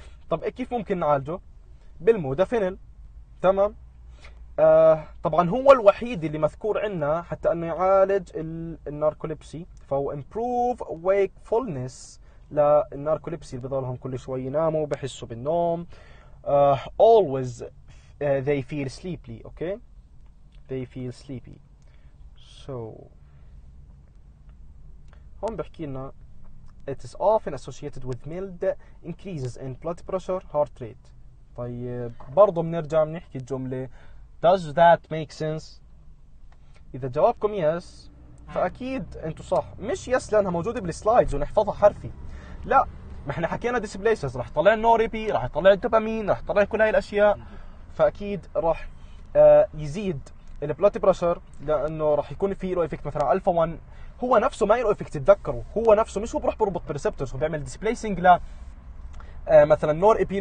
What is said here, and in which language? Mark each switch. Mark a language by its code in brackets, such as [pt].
[ar] طب كيف ممكن نعالجه؟ بالمودافينيل، تمام. طبعا هو الوحيد اللي مذكور عندنا حتى انه يعالج الناركوليبسي، فهو امبروف ويكفولنس للناركوليبسي اللي بضلهم كل شوي يناموا بحسوا بالنوم. [en] Always they feel sleepy. Okay, they feel sleepy. [ar] هون بحكي لنا [en] it is often associated with mild increases in blood pressure, heart rate. [ar] طيب برضو بنرجع بنحكي الجملة [en] does that make sense؟ [ar] إذا جوابكم yes فأكيد أنتوا صح، مش yes لأنها موجودة بالسلايدز ونحفظها حرفي، لا، ما احنا حكينا displaces، رح طلع النوريبي، رح طلع الدوبامين، رح طلع كل هاي الأشياء، فأكيد رح يزيد البلوت بريشر لانه راح يكون في له افكت. مثلا الفا 1 هو نفسه ما له افكت، تذكروا هو نفسه مش هو بروح بربط بريسبتورز، هو بيعمل ديسبليسنج ل مثلا نور اي بي.